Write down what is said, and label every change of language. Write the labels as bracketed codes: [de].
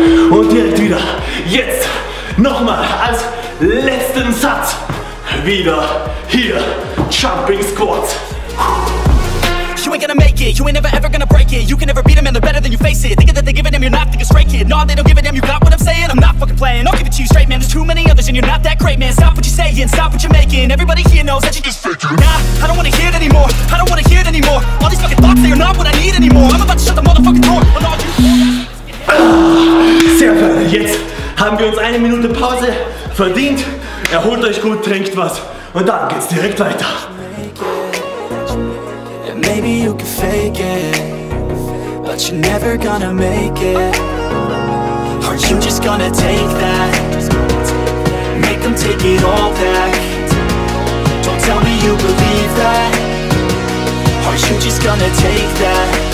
[de] Und direkt wieder, jetzt nochmal als letzten Satz, wieder hier, Jumping Squats. [en] You ain't gonna make it, you ain't never ever gonna break it. You can never beat them and they're better than you face it. Thinking that they give a damn, you're not thinking straight, kid. No, they don't give a damn, you got what I'm saying? I'm not fucking playing, I'll give it to you straight, man. There's too many others and you're not that great, man. Stop what you're saying, stop what you're making. Everybody here knows that you're just faking. Nah, I don't wanna hear it anymore, I don't wanna hear it anymore. All these fucking thoughts, they are not what I need anymore. I'm about to shut the motherfucking door. [de] Sehr schön, jetzt haben wir uns eine Minute Pause verdient. Erholt euch gut, trinkt was und dann geht's direkt weiter. [en] Maybe you can fake it, but you're never gonna make it. Are you just gonna take that? Make them take it all back. Don't tell me you believe that. Are you just gonna take that?